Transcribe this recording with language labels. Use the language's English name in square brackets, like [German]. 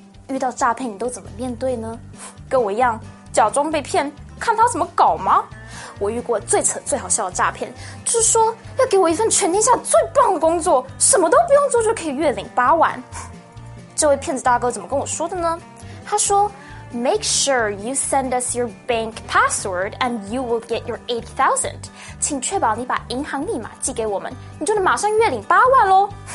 [Chinese] 遇到诈骗你都怎么面对呢？跟我一样，假装被骗，看他怎么搞吗？我遇过最扯最好笑的诈骗，就是说要给我一份全天下最棒的工作，什么都不用做就可以月领80,000。这位骗子大哥怎么跟我说的呢？他说 [English] ,Make sure you send us your bank password and you will get your 8,000. [Chinese] 请确保你把银行密码寄给我们，你就能马上月领80,000咯。